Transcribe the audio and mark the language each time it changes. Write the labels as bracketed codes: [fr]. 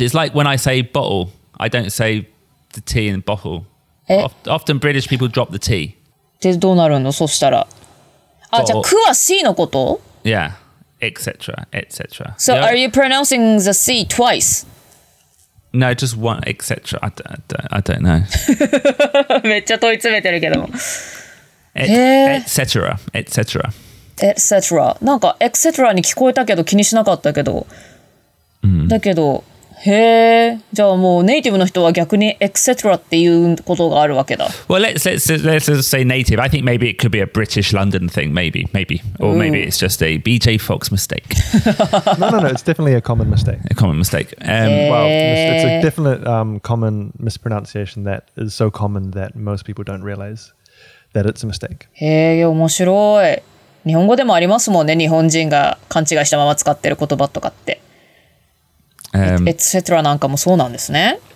[en] It's like when I say bottle, I don't say the T in bottle. Often British people drop the T. [ja] で、どうなるの？そしたら。あ、じゃあ、クは C のこと？ [en] Yeah, etc, etc. So, are you pronouncing the C twice? No, just one, etc. I don't know. [ja] めっちゃ問い詰めてるけども。 [en] etc. etc. etc. [ja] なんか etc. に聞こえたけど気にしなかったけど。 Mm. だけど、へえ。じゃあもうネイティブの人は逆にエクセトラっていうことがあるわけだ。 [en] Well, let's just say native. I think maybe it could be a British London thing. Maybe, maybe. Or maybe it's just a BJ Fox mistake. No, it's definitely a common mistake. A common mistake. It's a definite common mispronunciation that is so common that most people don't realize that it's a mistake. [ja] へえ、面白い。日本語でもありますもんね、日本人が勘違いしたまま使ってる言葉とかって。 [en] Etc. [ja] なんかもそうなんですね。